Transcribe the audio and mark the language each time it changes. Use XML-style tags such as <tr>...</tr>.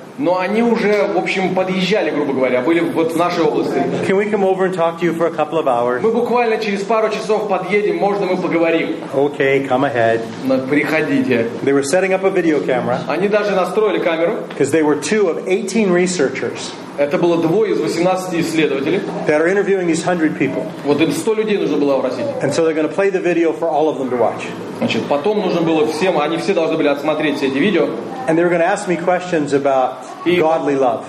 <ru>Но они уже, в общем, подъезжали, грубо говоря, были вот в нашей области.</ru> <en>Can we come over and talk to you for a couple of hours?</en> <ru>Мы буквально через пару часов подъедем, можно мы поговорим.</ru> <en>Okay, come ahead.</en> <ru>Но приходите.</ru> <en>They were setting up a video camera.</en> <ru>Они даже настроили камеру.</ru> <en>Because they were two of 18 researchers.</en> <ru>Это было двое из 18 исследователей.</ru> <en>They are interviewing these 100 people.</en> <ru>Вот им 100 людей нужно было опросить.</ru> <en>And so they're going to play the video for all of them to watch.</en> <ru>Значит, потом нужно было всем, они все должны были отсмотреть все эти видео.</ru> <en>And they were going to ask me questions about godly love.</en>